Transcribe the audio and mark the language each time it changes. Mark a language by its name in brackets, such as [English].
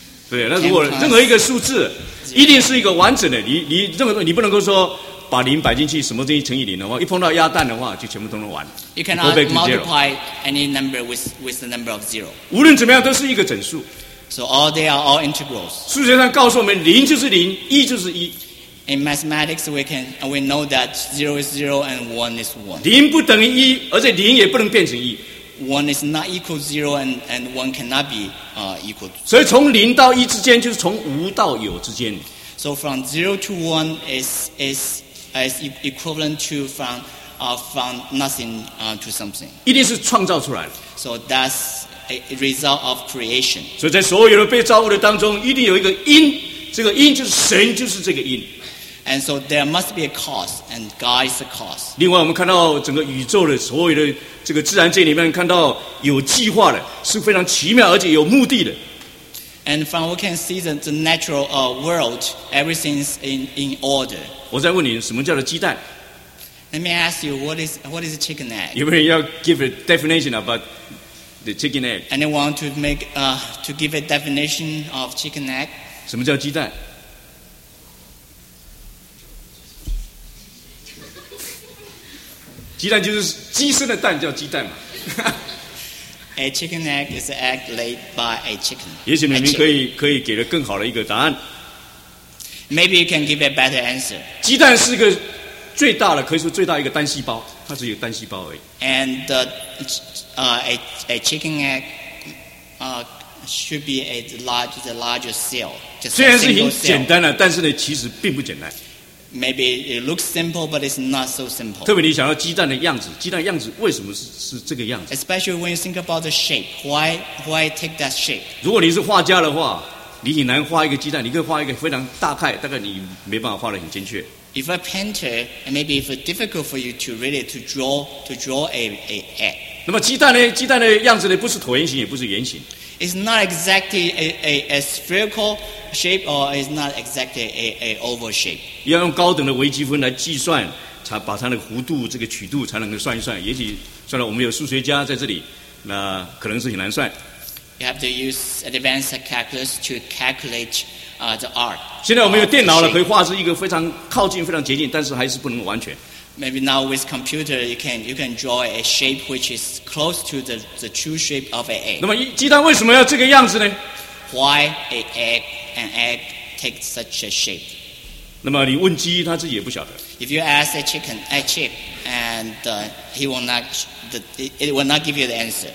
[Chinese] 对，那如果任何一个数字一定是一个完整的，你任何你不能够说把零摆进去，什么东西乘以零的话，一碰到鸭蛋的话，就全部都能完。 [English] You cannot multiply any number with the number of zero. [Chinese] 无论怎么样，都是一个整数。 [English] So all they are all integrals. [Chinese] 数学上告诉我们，零就是零，一就是一。 [English] In mathematics, we know that zero is zero and one is one. [Chinese] 零不等于一，而且零也不能变成一。 [English] One is not equal to zero, and one cannot be equal. [Chinese] 所以从零到一之间，就是从无到有之间。 [English] So from zero to one is equivalent to from nothing to something. [Chinese] 一定是创造出来的。 [English] So that's a result of creation. [Chinese] 所以在所有的被造物的当中，一定有一个因，这个因就是神，就是这个因。 [English] And so there must be a cause, and God is the cause. [Chinese] 另外，我们看到整个宇宙的所有的这个自然界里面，看到有计划的，是非常奇妙而且有目的的。 [English] And from what can see the natural world, everything's in order. [Chinese] 我再问你，什么叫做鸡蛋 [English] ？Let me ask you, what is a chicken egg? [Chinese] 有没有人要 [English] give a definition about the chicken egg? Anyone to make to give a definition of chicken egg? [Chinese] 什么叫鸡蛋？鸡蛋就是鸡生的蛋，叫鸡蛋嘛。 [English] A chicken egg is an egg laid by a chicken. [Chinese] 也许你们可以给了更好的一个答案。 [English] Maybe you can give a better answer. [Chinese] 鸡蛋是个最大的，可以说最大一个单细胞，它是一个单细胞而已。 [English] And a chicken egg should be the largest cell. [Chinese] 虽然是很简单的，但是呢，其实并不简单。 [English] Maybe it looks simple, but it's not so simple. [Chinese] 特别你想到鸡蛋的样子，鸡蛋样子为什么是这个样子 [English] ？Especially when you think about the shape, why take that shape? [Chinese] 如果你是画家的话，你很难画一个鸡蛋，你可以画一个非常大概，大概你没办法画得很精确。 [English] If a painter, maybe if it's difficult for you to really to draw a egg. [Chinese] 那么鸡蛋呢？鸡蛋的样子呢？不是椭圆形，也不是圆形。 [English] It's not exactly a spherical shape, or it's not exactly a oval shape. [Chinese] 要用高等的微积分来计算，才把它的弧度这个曲度才能够算一算。也许算了，我们有数学家在这里，那可能是很难算。 [English] You have to use advanced calculus to calculate the arc. [Chinese] 现在我们有电脑了，可以画出一个非常靠近、非常接近，但是还是不能完全。 [English] Maybe now with computer you can draw a shape which is close to the true shape of an egg. [Chinese] 那么鸡蛋为什么要这个样子呢 [English] ？Why an egg takes such a shape? [Chinese] 那么你问鸡，它自己也不晓得。 [English] If you ask a chick, it will not give you the answer.